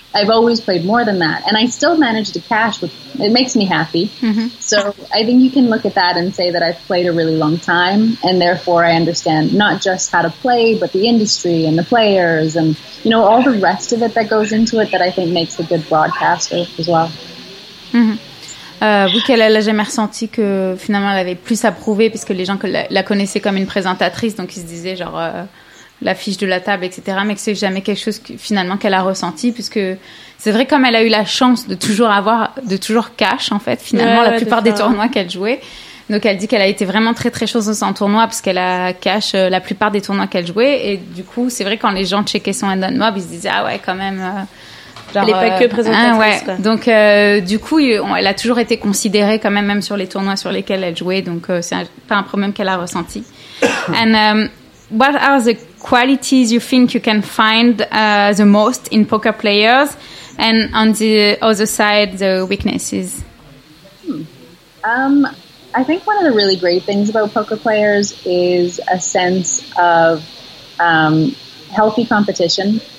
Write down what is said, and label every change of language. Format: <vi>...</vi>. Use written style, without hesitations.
<en>I've always played more than that, and I still manage to cash, which it makes me happy. Mm-hmm. So I think you can look at that and say that I've played a really long time, and therefore I understand not just how to play, but the industry and the players and, you know, all the rest of it that goes into it that I think makes a good broadcaster as well. Mm-hmm.</en> <fr>Oui, qu'elle n'a jamais ressenti que finalement elle avait plus à prouver, puisque les gens la connaissaient comme une présentatrice, donc ils se disaient genre la fiche de la table, etc. Mais que c'est jamais quelque chose que, finalement, qu'elle a ressenti, puisque c'est vrai, comme elle a eu la chance de toujours cash en fait, finalement, ouais, la plupart des tournois qu'elle jouait. Donc elle dit qu'elle a été vraiment très très chanceuse en tournoi, parce qu'elle a cash la plupart des tournois qu'elle jouait. Et du coup, c'est vrai, quand les gens checkaient son hand-on mob, ils se disaient ah ouais, quand même. Genre, elle n'est pas que présentatrice. Ouais. Donc, du coup, elle a toujours été considérée quand même sur les tournois sur lesquels elle jouait. Donc, c'est pas un problème qu'elle a ressenti.</fr> <en>And what are the qualities you think you can find the most in poker players, and on the other side, the weaknesses? I think one of the really great things about poker players is a sense of healthy competition.</en>